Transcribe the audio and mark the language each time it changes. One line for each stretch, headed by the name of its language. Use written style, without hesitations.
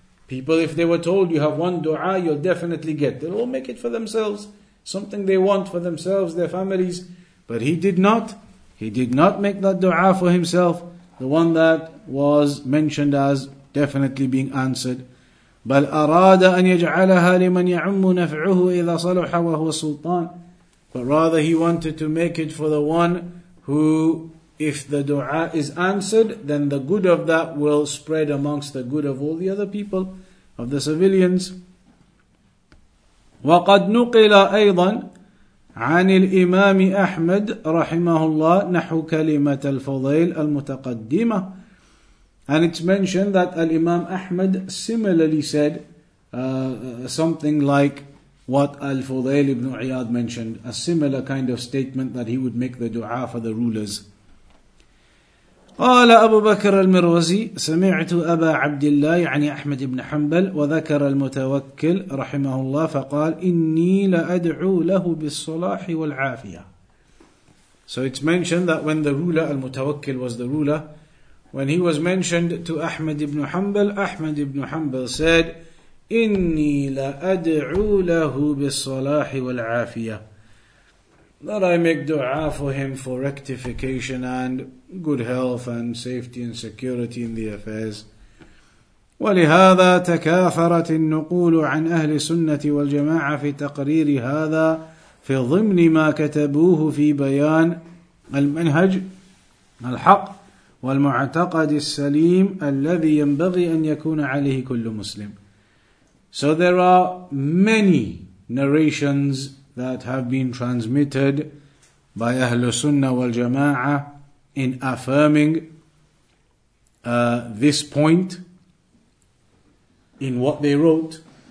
English: People, if they were told you have one dua, you'll definitely get, they'll all make it for themselves, something they want for themselves, their families. But he did not. He did not make that dua for himself, the one that was mentioned as definitely being answered.
Arabic: بل أراد أن يجعلها لمن يعم نفعه إذا صلح وهو سلطان.
English: But rather he wanted to make it for the one who, if the dua is answered, then the good of that will spread amongst the good of all the other people, of the civilians.
Arabic: وقد نقل أيضا عن الإمام أحمد رحمه الله نحو كلمة الفضيل المتقدمة.
English: And it's mentioned that Al-Imam Ahmad similarly said something like what Al-Fudayl ibn Iyad mentioned, a similar kind of statement that he would make the dua for the rulers.
Arabic: قال أبو بكر المروزي سمعت أبا عبد الله يعني أحمد بن حنبل وذكر المتوكل رحمه الله فقال إني لأدعو له بالصلاح والعافية.
English: So it's mentioned that when the ruler, Al-Mutawakkil was the ruler, when he was mentioned to Ahmad ibn Hanbal, Ahmad ibn Hanbal said,
Arabic: إِنِّي لَأَدْعُو لَهُ بِالصَّلَاحِ وَالْعَافِيَةِ,
English: that I make dua for him for rectification and good health and safety and security in the affairs.
Arabic: وَلِهَذَا تَكَافَرَتِ النُّقُولُ عَنْ أَهْلِ سُنَّةِ وَالْجَمَاعَةِ فِي تَقْرِيرِ هَذَا فِي ضِمْنِ مَا كَتَبُوهُ فِي بَيَانِ الْمَنْهَجِ الْحَقِّ والمعتقد السليم الذي ينبغي أن يكون عليه كل مسلم.
English: So there are many narrations that have been transmitted by Ahlu Sunnah wal Jama'ah in affirming this point in what they wrote.